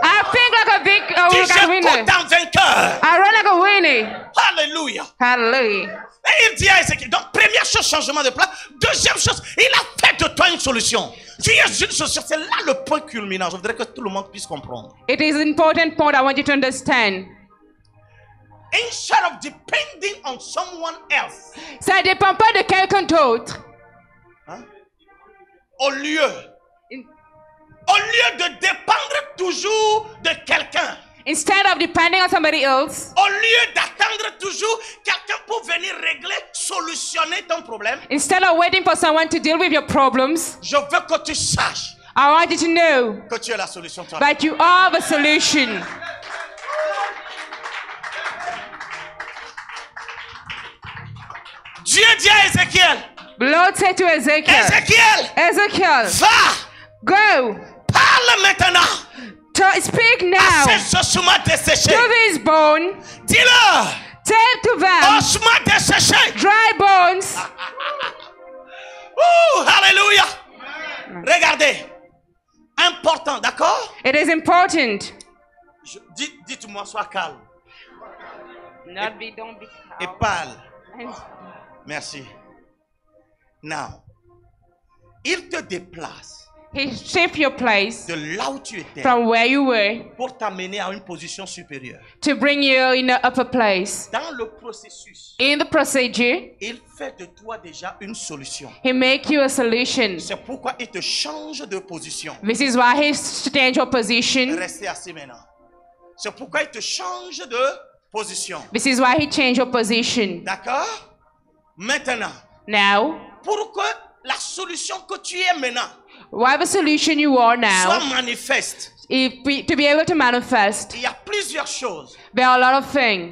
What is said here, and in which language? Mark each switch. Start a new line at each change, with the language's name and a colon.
English: I think like a victor.
French: Dis je cours en vainqueur.
English: I run like a winner. Hallelujah. Hallelujah.
French: Et il dit à Ézéchiel, donc première chose, changement de place. Deuxième chose, il a fait de toi une solution. Tu es une solution. C'est là le point culminant. Je voudrais que tout le monde puisse comprendre.
English: It is an important point I want you to understand. Instead of depending on someone else.
French: Ça ne dépend pas de quelqu'un d'autre. Hein? Au lieu. Au lieu de dépendre toujours de quelqu'un.
English: Instead of depending on somebody else.
French: Au lieu d'attendre toujours quelqu'un pour venir régler, solutionner ton problème.
English: Instead of waiting for someone to deal with your problems.
French: Je veux que tu saches.
English: I want you to know.
French: Que tu es la solution toi.
English: That you are the solution.
French: Dieu dit à Ézéchiel.
English: The Lord said to Ezekiel. Ezekiel. Ezekiel.
French: Va.
English: Go.
French: Parle maintenant.
English: To speak now. To this bone.
French: Dis-le.
English: Tell to them.
French: Ossements desséchés.
English: Dry bones.
French: Ooh, hallelujah. Regardez. Important, d'accord?
English: It is important.
French: Dites-moi, sois calme.
English: Not be, don't be calm.
French: Et parle. Merci. Now, il te déplace.
English: He shaped your place
French: de là où tu étais,
English: from where you were,
French: pour t'amener à une position supérieure.
English: To bring you in an upper place.
French: Dans le processus,
English: in the procedure,
French: il fait de toi déjà une solution.
English: He make you a solution.
French: C'est pourquoi il te change de position.
English: This is why he changed your position.
French: Restez assis maintenant. C'est pourquoi il te change de position.
English: This is why he changed your position.
French: D'accord? Maintenant.
English: Now.
French: Pour que la solution que tu es maintenant.
English: Whatever solution you are now,
French: soit manifeste.
English: If we, to be able to manifest,
French: il y a plusieurs choses.
English: There are a lot of things.